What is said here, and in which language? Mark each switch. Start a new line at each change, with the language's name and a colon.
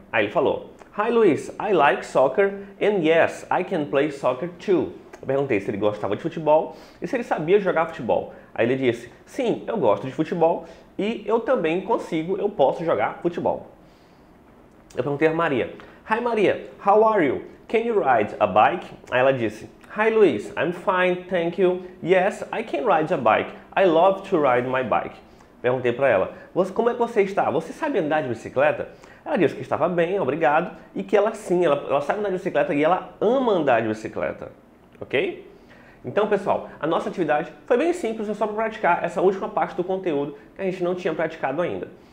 Portuguese: Aí ele falou:
English: Hi Luis, I like soccer and yes, I can play soccer too.
Portuguese: Eu perguntei se ele gostava de futebol e se ele sabia jogar futebol. Aí ele disse: Sim, eu gosto de futebol e eu também consigo, eu posso jogar futebol. Eu perguntei a Maria:
English: Hi Maria, how are you? Can you ride a bike?
Portuguese: Aí ela disse:
English: Hi Luis, I'm fine, thank you. Yes, I can ride a bike. I love to ride my bike.
Portuguese: Perguntei para ela: Como é que você está? Você sabe andar de bicicleta? Ela disse que estava bem, obrigado, e que ela sim, ela sabe andar de bicicleta e ela ama andar de bicicleta. Ok? Então, pessoal, a nossa atividade foi bem simples, é só para praticar essa última parte do conteúdo que a gente não tinha praticado ainda.